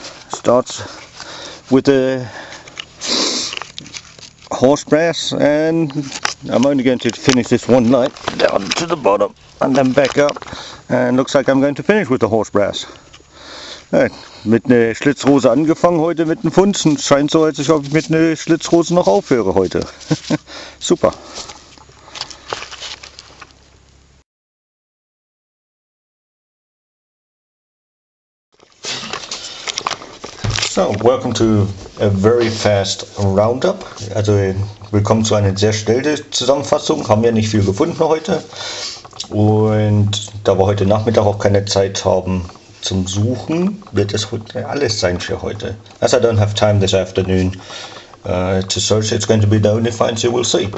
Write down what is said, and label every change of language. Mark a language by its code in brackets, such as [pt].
[en] Starts with the horse brass, and I'm only going to finish this one night down to the bottom and then back up, and looks like I'm going to finish with the horse brass. Right. [de] Mit einer Schlitzrose angefangen heute mit dem Funzen. Scheint so, als ob ich mit einer Schlitzrose noch aufhöre heute. Super. [en] So, welcome to a very fast roundup. [de] Also, willkommen zu einer sehr schnellen Zusammenfassung. Haben ja nicht viel gefunden heute. Und da wir heute Nachmittag auch keine Zeit haben zum Suchen, wird es heute alles sein für heute. [en] As I don't have time this afternoon to search, it's going to be the only finds you will see.